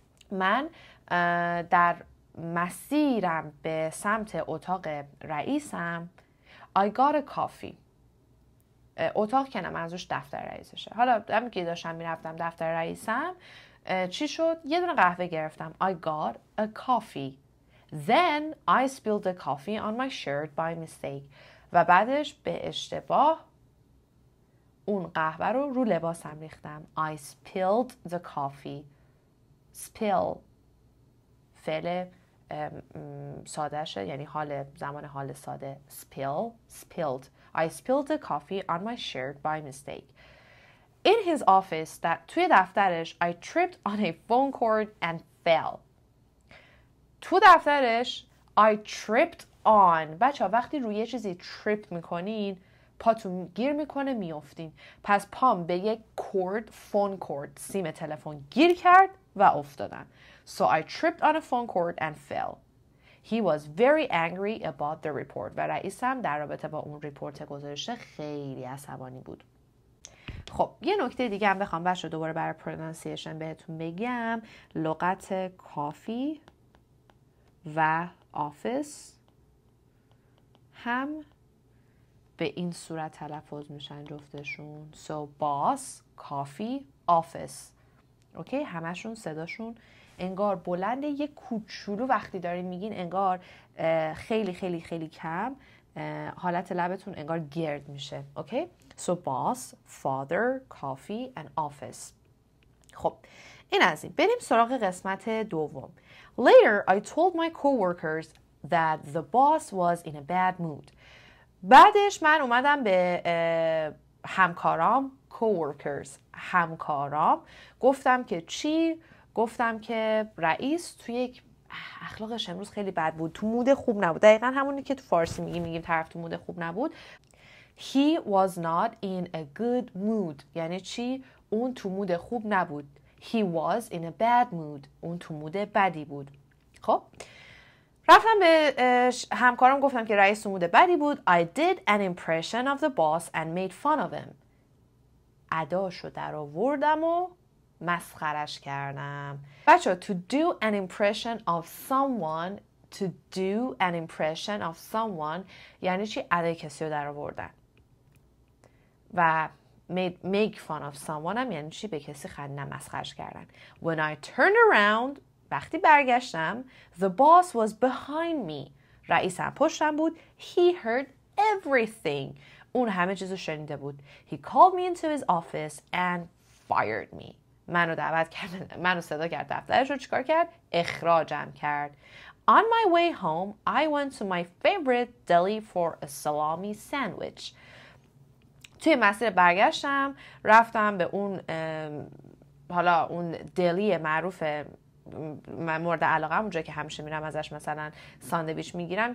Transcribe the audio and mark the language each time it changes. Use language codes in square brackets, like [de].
[fa] من در مسیرم به سمت اتاق رئیسم [en] I got a coffee. [fa] اتاق که منظورش دفتر رئیسشه. حالا همین که داشتم میرفتم دفتر رئیسم چی شد؟ یه دونه قهوه گرفتم. [en] I got a coffee. Then I spilled the coffee on my shirt by mistake. [fa] و بعدش به اشتباه اون قهوه رو رو لباسم ریختم. [en] I spilled the coffee. Spill. [fa] فعل ساده شه، یعنی حال زمان حال ساده. [en] Spill. Spilled. I spilled the coffee on my shirt by mistake. In his office that [fa] توی دفترش [en] I tripped on a phone cord and fell. [fa] تو دفترش [en] I tripped on. [fa] بچه ها وقتی روی چیزی trip میکنین پاتون گیر میکنه میافتین. پس پام به یک [en] cord phone cord [fa] سیم تلفن گیر کرد و افتادن. [en] So I tripped on a phone cord and fell. He was very angry about the report. [fa] و رئیسم در رابطه با اون ریپورت گذاشته خیلی عصبانی بود. خب یه نکته دیگه هم بخوام بشه دوباره برای پرونانسیشن بهتون بگم. لغت کافی و آفیس هم به این صورت تلفظ میشن جفتشون. So boss, coffee, office. اوکی همشون صداشون انگار بلند یک کوچولو وقتی دارین میگین انگار خیلی خیلی خیلی کم حالت لبتون انگار گرد میشه. [en] Okay so boss father coffee and office. [fa] خب این از این. بریم سراغ قسمت دوم. [en] Later I told my coworkers that the boss was in a bad mood. [fa] بعدش من اومدم به همکارام coworkers همکارام گفتم که چی؟ گفتم که رئیس توی یک اخلاقش امروز خیلی بد بود، تو مود خوب نبود. دقیقا همونی که تو فارسی میگیم طرف تو مود خوب نبود. [en] He was not in a good mood [fa] یعنی چی؟ اون تو مود خوب نبود. [en] He was in a bad mood [fa] اون تو مود بدی بود. خب رفتم به همکارم گفتم که رئیس تو مود بدی بود. [en] I did an impression of the boss and made fun of him. [fa] عداشو در آوردم و مسخرش کردم. [en] بچه ها to do an impression of someone to do an impression of someone [fa] یعنی چی؟ عدای کسی رو در آوردن. و [en] make fun of someone [fa] هم یعنی چی؟ به کسی خندم مسخرش کردن. [en] When I turned around [fa] وقتی برگشتم [en] the boss was behind me [fa] رئیسم پشتم بود. [en] He heard everything [fa] اون همه چیزو شنیده بود. [en] He called me into his office and fired me. [fa] منو دعوت کرد، منو صدا کرد دفترش رو چیکار کرد؟ اخراجم کرد. [en] On my way home, I went to my favorite deli for a salami sandwich. [fa] توی مسیر برگشتم رفتم به اون حالا اون دلی معروف من مورد علاقه اونجا که همیشه میرم ازش مثلا ساندویچ میگیرم.